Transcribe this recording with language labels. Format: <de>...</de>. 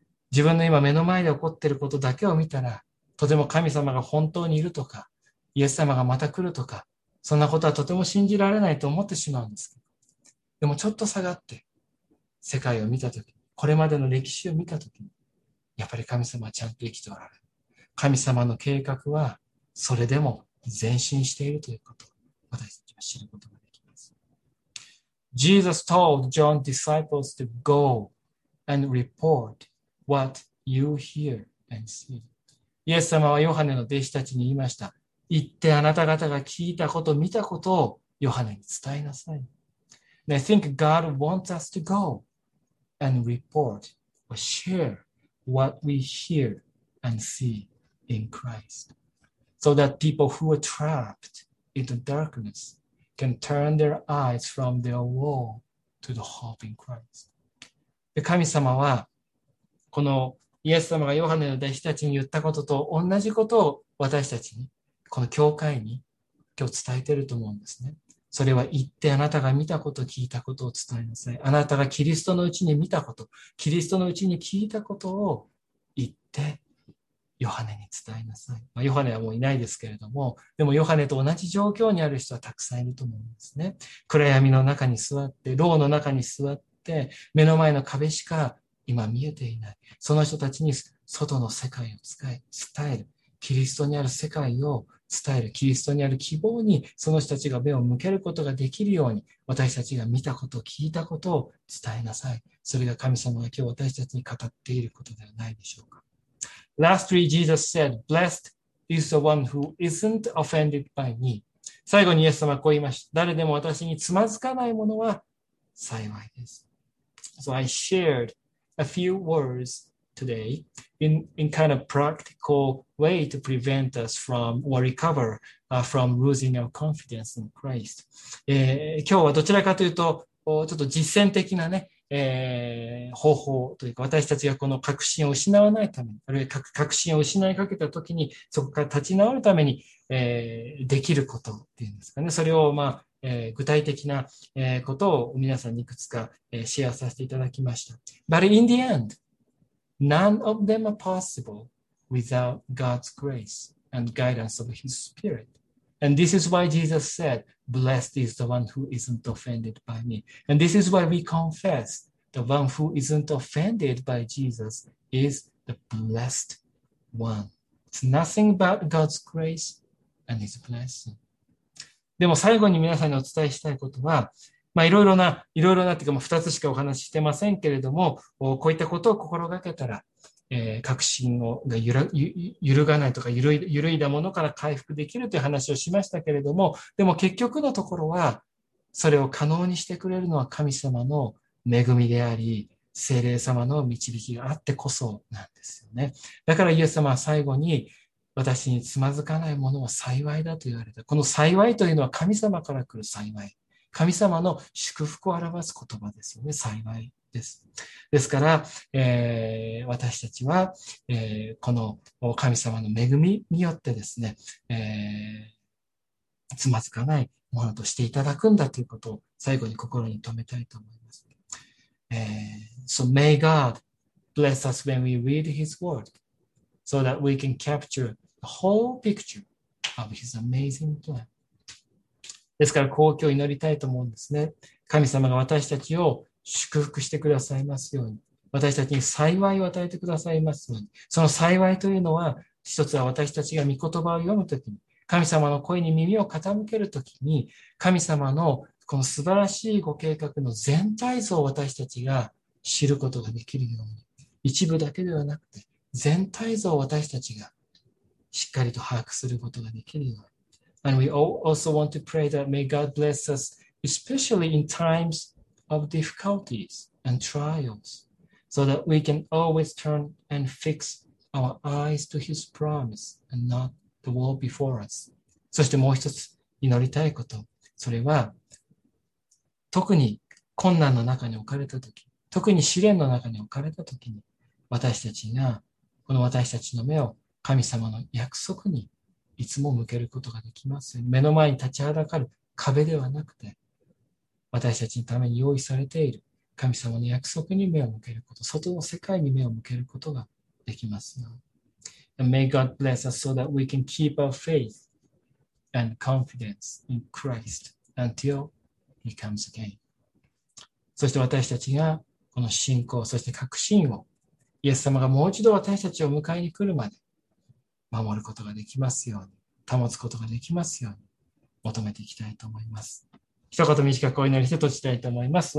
<ja>自分の今目の前で起こっていることだけを見たら、とても神様が本当にいるとか、イエス様がまた来るとか、そんなことはとても信じられないと思ってしまうんです。でもちょっと下がって世界を見たとき、これまでの歴史を見たとき、やっぱり神様はちゃんと生きておられる。神様の計画はそれでも前進しているということを私たちは知ることができます。</ja> <en>Jesus told John's disciples to go and report what you hear and see.</en> <ja>イエス様はヨハネの弟子たちに言いました。言ってあなた方が聞いたこと、見たことをヨハネに伝えなさい。</ja> <en>I think God wants us to go and report or share what we hear and see in Christ so that people who are trapped in the darkness can turn their eyes from their woe to the hope in Christ.</en> <ja>神様はこのイエス様がヨハネの弟子たちに言ったことと同じことを私たちにこの教会に今日伝えてると思うんですね。それは言ってあなたが見たこと聞いたことを伝えなさい。あなたがキリストのうちに見たこと、キリストのうちに聞いたことを言ってヨハネに伝えなください。まあ、ヨハネはもういないですけれども、でもヨハネと同じ状況にある人はたくさんいると思うんですね。暗闇の中に座って、牢の中に座って、目の前の壁しか今見えていない。その人たちに外の世界を伝える。キリストにある世界を伝える。キリストにある希望にその人たちが目を向けることができるように、私たちが見たこと、聞いたことを伝えなさい。それが神様が今日私たちに語っていることではないでしょうか。</ja> <en>Lastly, Jesus said, Blessed is the one who isn't offended by me.</en> <ja>最後にイエス様はこう言いました。誰でも私につまずかないものは幸いです。</ja> <en>So I shared a few words today in kind of practical way to prevent us from or recover from losing our confidence in Christ.</en> <ja>今日はどちらかというと、ちょっと実践的なね、方法というか、私たちがこの確信を失わないために、あるいは確信を失いかけたときに、そこから立ち直るために、できることっていうんですかね。それを、まあ、具体的なことを皆さんにいくつか、シェアさせていただきました。</ja> <en>But in the end, none of them are possible without God's grace and guidance of His Spirit. And this is why Jesus said, Blessed is the one who isn't offended by me. And this is why we confess, the one who isn't offended by Jesus is the blessed one. It's nothing but God's grace and His blessing.</en> <ja>でも最後に皆さんにお伝えしたいことは、まあいろいろなっていうか、もう二つしかお話ししてませんけれども、こういったことを心がけたら、確信が揺るがないとか揺るいだものから回復できるという話をしましたけれども、でも結局のところはそれを可能にしてくれるのは神様の恵みであり聖霊様の導きがあってこそなんですよね。だからイエス様は最後に私につまずかないものは幸いだと言われた。この幸いというのは神様から来る幸い、神様の祝福を表す言葉ですよね。幸いです。ですから、私たちは、この神様の恵みによってですね、つまずかないものとしていただくんだということを最後に心に留めたいと思います。</ja> <en>So may God bless us when we read His word, so that we can capture the whole picture of His amazing plan.</en> <ja>ですから、こう今日祈りたいと思うんですね。神様が私たちを祝福してくださいますように、私たちに幸いを与えてくださいますように、その幸いというのは、一つは私たちが御言葉を読むときに、神様の声に耳を傾けるときに、神様のこの素晴らしいご計画の全体像を私たちが知ることができるように、一部だけではなくて全体像を私たちがしっかりと把握することができるように。</ja> <en>And we also want to pray that may God bless us especially in timesOf difficulties and trials, so that we can always turn and fix our eyes to His promise and not the world before us.</en> <ja>そしてもう一つ祈りたいこと、それは特に困難の中に置かれたとき、特に試練の中に置かれたときに、私たちがこの私たちの目を神様の約束にいつも向けることができます。目の前に立ちはだかる壁ではなくて、私たちのために用意されている神様の約束に目を向けること、外の世界に目を向けることができますよ。</ja> <en>And may God bless us so that we can keep our faith and confidence in Christ until He comes again.</en> <ja>そして私たちがこの信仰、そして確信をイエス様がもう一度私たちを迎えに来るまで守ることができますように、保つことができますように求めていきたいと思います。一言短くお祈りして閉じたいと思います。</ja>